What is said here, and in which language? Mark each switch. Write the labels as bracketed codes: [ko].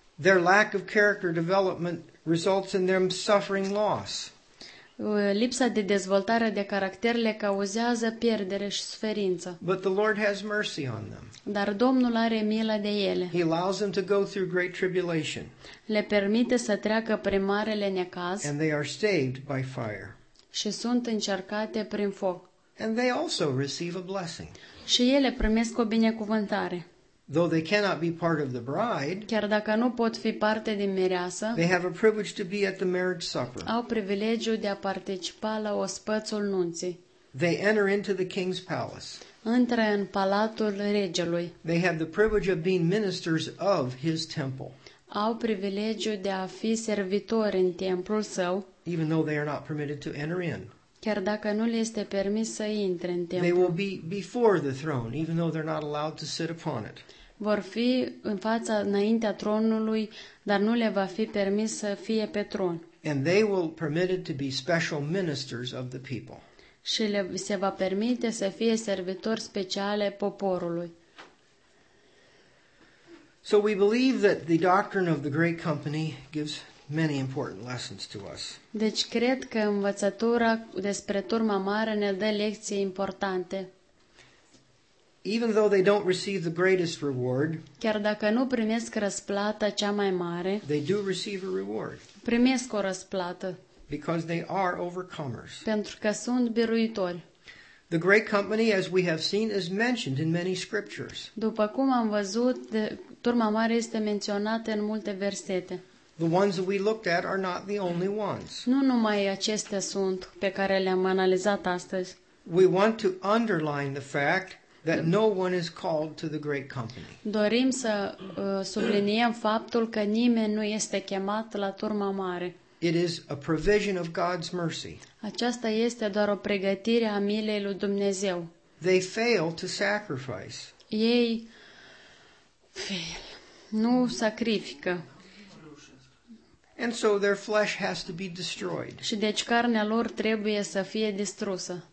[en] Their lack of character development results in them suffering loss. [ro] Lipsa de dezvoltare de caracter le cauzează pierdere și suferință. [en] But the Lord has mercy on them. [ro] Dar Domnul are milă de ele. [en] He allows them to go through great tribulation. [ro] Le permite să treacă prin marele necaz. [en] And they are saved by fire. [ro] Și sunt încercate prin foc. [en] And they also receive a blessing. [ro] Și ele primesc o binecuvântare. [en] Though they cannot be part of the bride, [ro] chiar dacă nu pot fi parte din mireasă, [en] they have a privilege to be at the marriage supper. [ro] Au privilegiul de a participa la ospățul nunții. [en] They enter into the king's palace. [ro] Intră în palatul regelui. [en] They have the privilege of being ministers of his temple. [ro] Au privilegiul de a fi servitori în templul său. [en] Even though they are not permitted to enter in. [ro] Chiar dacă nu le este permis să intre în templu. [en] They will be before the throne, even though they're not allowed to sit upon it. [ro] Vor fi în fața, înaintea tronului, dar nu le va fi permis să fie pe tron. [en] And they will be permitted to be special ministers of the people. [ro] Și le se va permite să fie servitori speciale poporului. [en] So we believe that the doctrine of the great company gives many important lessons to us. [ro] Deci cred că învățătura despre turma mare ne dă lecții importante. [en] Even though they don't receive the greatest reward, [ro] chiar dacă nu primesc răsplata cea mai mare, [en] they do receive a reward. [ro] Primesc o răsplată. [en] Because they are overcomers. [ro] Pentru că sunt biruitori. [en] The great company, as we have seen, is mentioned in many scriptures. [ro] După cum am văzut, turma mare este menționată în multe versete. [en] The ones that we looked at are not the only ones. [ro] Nu numai acestea sunt pe care le-am analizat astăzi. [en] We want to underline the fact that no one is called to the great company. [ro] Dorim să subliniem faptul că nimeni nu este chemat la turma mare. [en] It is a provision of God's mercy. [ro] Aceasta este doar o pregătire a milei lui Dumnezeu. [en] They fail to sacrifice. [ro] Ei [en] fail. [ro] Nu sacrifică. [en] And so their flesh has to be destroyed. [ro] Și deci carnea lor trebuie să fie distrusă.